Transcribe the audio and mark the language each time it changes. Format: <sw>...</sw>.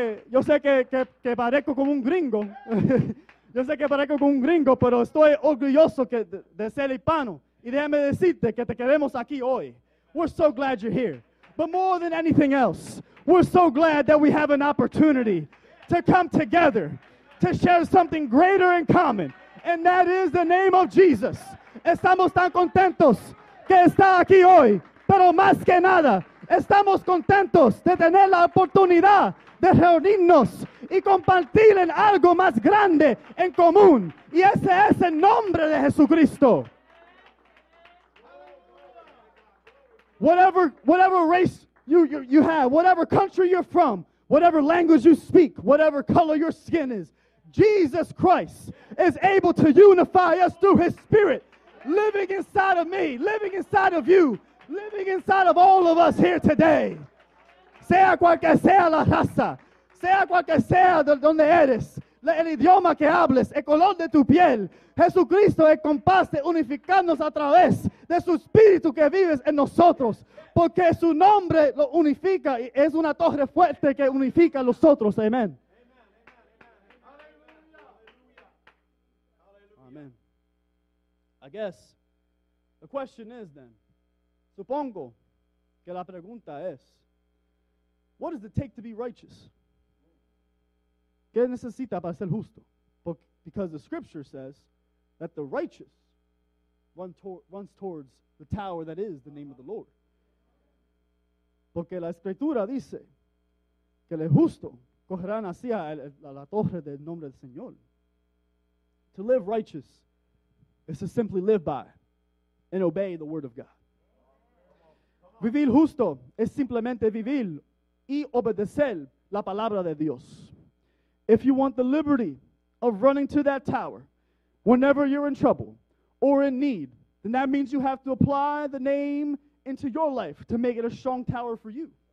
<es>Yo sé que parezco como un gringo. Yo sé que parezco como un gringo, pero estoy orgulloso de ser hispano. Y déjame decirte que te queremos aquí hoy.</es> <en>We're so glad you're here. But more than anything else, we're so glad that we have an opportunity to come together, to share something greater in common, and that is the name of Jesus.</en> <es>Estamos tan contentos que está aquí hoy, pero más que nada, estamos contentos de tener la oportunidad de reunirnos y compartir en algo más grande en común. Y ese es el nombre de Jesucristo.</es> <en>Whatever race you have, whatever country you're from, whatever language you speak, whatever color your skin is, Jesus Christ is able to unify us through his spirit, living inside of me, living inside of you, living inside of all of us here today.</en> <es>Sea cual que sea la raza, sea cual que sea de donde eres, el idioma que hables, el color de tu piel. Jesucristo es capaz de unificarnos a través de su espíritu que vives en nosotros. Porque su nombre lo unifica y es una torre fuerte que unifica a los otros. Amén. Amén.</es> <en>I guess the question is then,</en> <es>supongo que la pregunta es,</es> <en>what does it take to be righteous?</en> <es>¿Qué necesita para ser justo?</es> <en>Because the scripture says that the righteous runs towards the tower that is the name of the Lord.</en> <es>Porque la escritura dice que el justo correrán hacia la torre del nombre del Señor.</es> <en>To live righteous is to simply live by and obey the word of God.</en> <es>Vivir justo es simplemente vivir y obedecer la palabra de Dios.</es> <en>If you want the liberty of running to that tower whenever you're in trouble or in need, then that means you have to apply the name into your life to make it a strong tower for you.</en>